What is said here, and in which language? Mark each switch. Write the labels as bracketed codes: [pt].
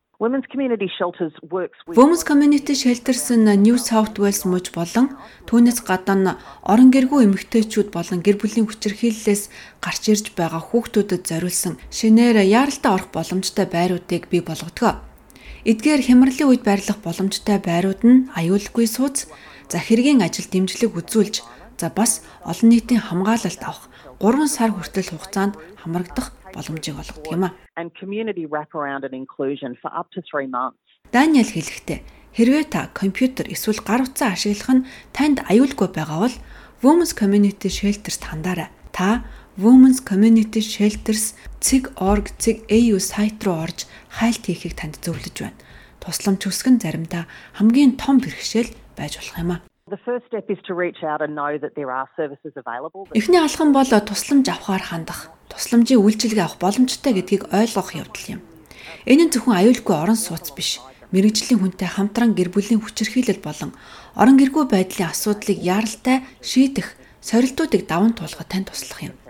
[mn] Women's Community Shelters нь New South Wales мужид болон түүнээс гадна орон гэргүй эмэгтэйчүүд болон гэр бүлийн хүчирхийллээс гарч ирж байгаа хүүхдүүдэд зориулсан шинээр яаралтай орох боломжтой байруудыг бий болгодгоо. Эдгээр хямралын үед байрлах боломжтой байрууд нь аюулгүй сууц, захиргийн ажил дэмжлэг үзүүлж, за бас олон нийтийн хамгаалалт авах 3 сар хүртэл хугацаанд хамрагдах боломжийг олгодог юм а. [en] And community wraparound and inclusion for up to 3 months. [mn] Даниэл хэлэхдээ хэрвээ та компьютер эсвэл гар утсаа ашиглах нь танд аюулгүй байгаа бол Women's Community Shelters тандаарай. Та Women's Community Shelters.org.au сайт руу орж хайлт хийхийг танд зөвлөж байна. Тусламж хүсгэн заримдаа хамгийн том бэрхшээл байж болох юм а. [en] The first step is to reach out and know that there are services available. [mn] Эхний алхам бол тусламж авахар хандах. Тусламжийн үйлчилгээ авах боломжтой гэдгийг ойлгох явдал юм. Энэ нь зөвхөн аюулгүй орон сууц биш. Мэргэжлийн хүнтэй хамтран гэр бүлийн хүчирхийлэл болон орон гэргүй байдлын асуудлыг яаралтай шийдэх, сорилтуудыг даван туулахад танд туслах юм.